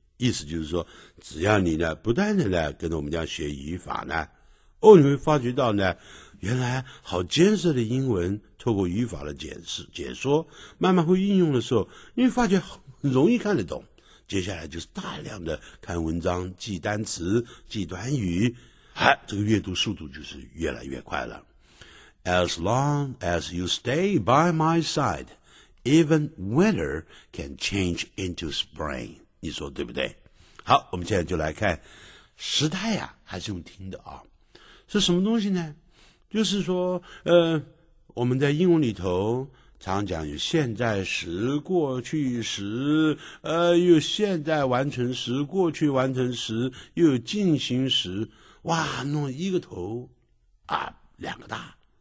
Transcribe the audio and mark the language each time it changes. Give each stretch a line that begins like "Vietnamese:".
Chinese: 意思就是说，只要你呢不断的呢跟着我们家学语法呢，哦，你会发觉到呢，原来好艰涩的英文透过语法的解说慢慢会应用的时候，你会发觉很容易看得懂，接下来就是大量的看文章记单词记短语，这个阅读速度就是越来越快了。
English: As long as you stay by my side, even winter can change into spring,
Chinese: 你说对不对？好，我们现在就来看时态啊，还是用听的啊，是什么东西呢？就是说我们在英文里头常讲有现在时、过去时，有现在完成时、过去完成时，又有进行时，哇，弄一个头啊，两个大。